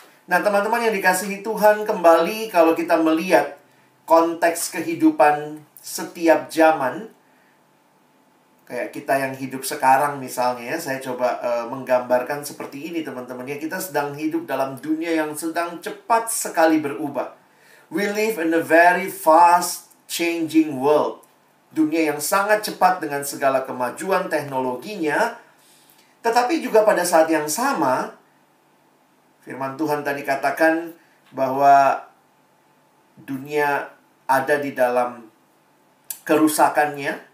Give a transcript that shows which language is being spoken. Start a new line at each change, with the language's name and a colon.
Indonesian: Nah, teman-teman yang dikasihi Tuhan, kembali kalau kita melihat konteks kehidupan setiap zaman, kayak kita yang hidup sekarang misalnya, ya, saya coba menggambarkan seperti ini, teman-teman. Ya, kita sedang hidup dalam dunia yang sedang cepat sekali berubah.
English: We live in a very fast changing world.
Indonesian: Dunia yang sangat cepat dengan segala kemajuan teknologinya. Tetapi juga pada saat yang sama, firman Tuhan tadi katakan bahwa dunia ada di dalam kerusakannya.